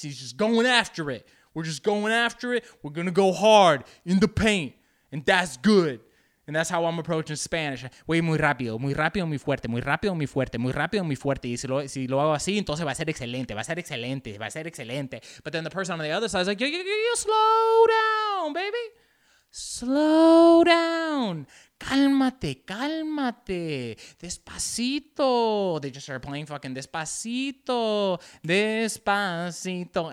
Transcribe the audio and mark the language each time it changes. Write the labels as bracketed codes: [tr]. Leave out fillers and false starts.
[en] He's just going after it. We're just going after it. We're going to go hard in the paint. And that's good. And that's how I'm approaching Spanish. [es] Voy muy rápido, muy fuerte, muy rápido, muy fuerte, muy rápido, muy fuerte. Y si lo hago así, entonces va a ser excelente, va a ser excelente, va a ser excelente. [en] But then the person on the other side is like, yo, slow down, baby. Slow down. Cálmate, cálmate. Despacito. They just started playing fucking despacito, despacito.